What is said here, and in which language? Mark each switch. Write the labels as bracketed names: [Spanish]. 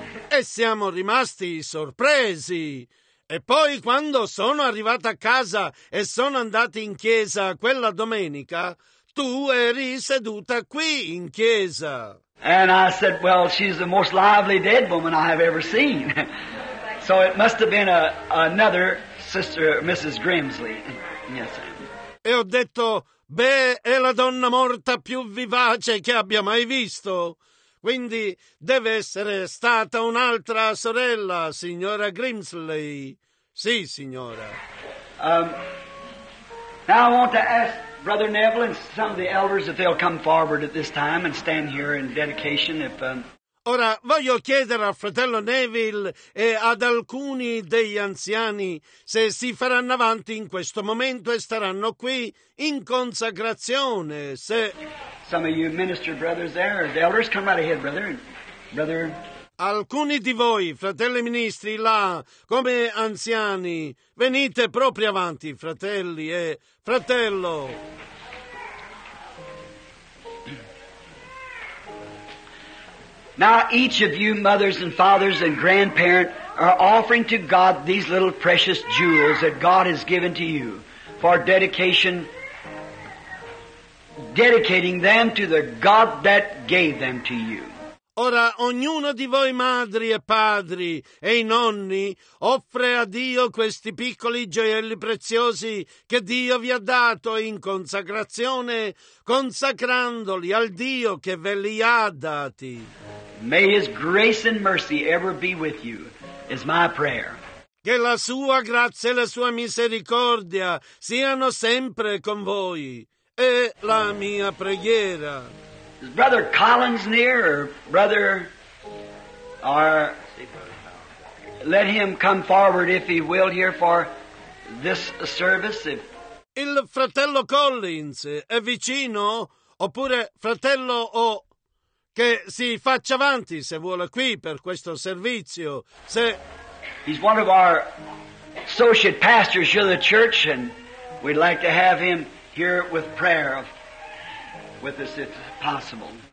[Italian] E siamo rimasti sorpresi. E poi quando sono arrivato a casa e sono andato in chiesa quella domenica, tu eri seduta qui in chiesa. [English] And I said, well, she's the most lively dead woman I have ever seen. So it must have been another sister, Mrs. Grimsley. Yes, sir. [Italian] E ho detto, beh, è la donna morta più vivace che abbia mai visto. Quindi deve essere stata un'altra sorella, signora Grimsley. Sì, signora. [English] Now I want to ask Brother Neville and some of the elders if they'll come forward at this time and stand here in dedication. [Italian] Ora, voglio chiedere al fratello Neville e ad alcuni degli anziani se si faranno avanti in questo momento e staranno qui in consacrazione, se... [English] Some of you minister brothers there, the elders, come right ahead, brother. Brother... [Italian] Alcuni di voi, fratelli ministri, là, come anziani, venite proprio avanti, fratelli e fratello. [English] Now each of you mothers and fathers and grandparents are offering to God these little precious jewels that God has given to you for dedication, dedicating them to the God that gave them to you. [Italian] Ora, ognuno di voi madri e padri e i nonni offre a Dio questi piccoli gioielli preziosi che Dio vi ha dato in consacrazione, consacrandoli al Dio che ve li ha dati. [English] May His grace and mercy ever be with you, is my prayer. [Italian] Che la Sua grazia e la Sua misericordia siano sempre con voi, è la mia preghiera. [English] Is Brother Collins near, or Brother, or let him come forward if he will here for this service? If... [Italian] Il fratello Collins è vicino? Oppure fratello O, che si faccia avanti se vuole qui per questo servizio? Se... [English] He's one of our associate pastors here in the church, and we'd like to have him here with prayer of with us if possible.